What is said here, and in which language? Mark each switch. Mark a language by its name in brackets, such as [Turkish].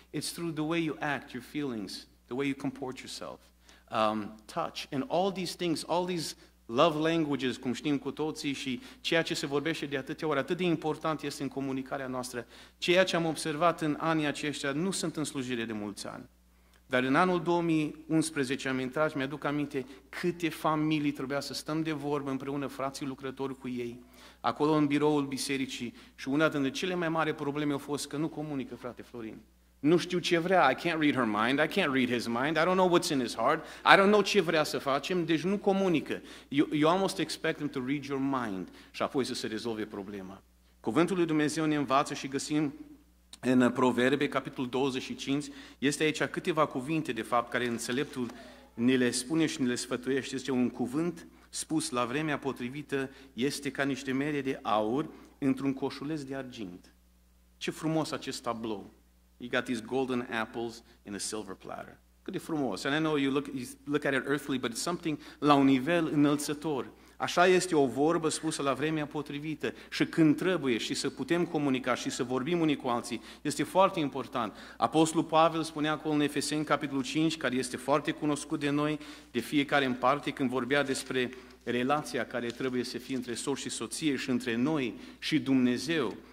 [English] It's through the way you act, your feelings, the way you comport yourself, touch, and all these things, all these love languages, [Romanian] cum știm cu toții, și ceea ce se vorbește de atâtea ori, atât de important este în comunicarea noastră. Ceea ce am observat în anii aceștia, nu sunt în slujire de mulți ani. Dar în anul 2011 am intrat și mi-aduc aminte câte familii trebuia să stăm de vorbă împreună, frații lucrători cu ei, acolo în biroul bisericii. Și una dintre cele mai mari probleme a fost că nu comunică frate Florin. Nu știu ce vrea, [English] I can't read her mind, I can't read his mind, I don't know what's in his heart, I don't know [Romanian] ce vrea să facem, deci nu comunică. [English] You almost expect him to read your mind [Romanian] și apoi să se rezolve problema. Cuvântul lui Dumnezeu ne învață și găsim în Proverbe, capitolul 25, este aici câteva cuvinte, de fapt, care înțeleptul ni le spune și ni le sfătuiește. Este un cuvânt spus la vremea potrivită, este ca niște mere de aur într-un coșuleț de argint. Ce frumos acest tablou! [English] You got these golden apples in a silver platter. [Romanian] Cât de frumos! [English] And I know you look at it earthly, but it's something [Romanian] la un nivel înălțător. Așa este o vorbă spusă la vremea potrivită. Și când trebuie și să putem comunica și să vorbim unii cu alții, este foarte important. Apostolul Pavel spunea acolo în Efeseni, capitolul 5, care este foarte cunoscut de noi, de fiecare în parte, când vorbea despre relația care trebuie să fie între soț și soție și între noi și Dumnezeu.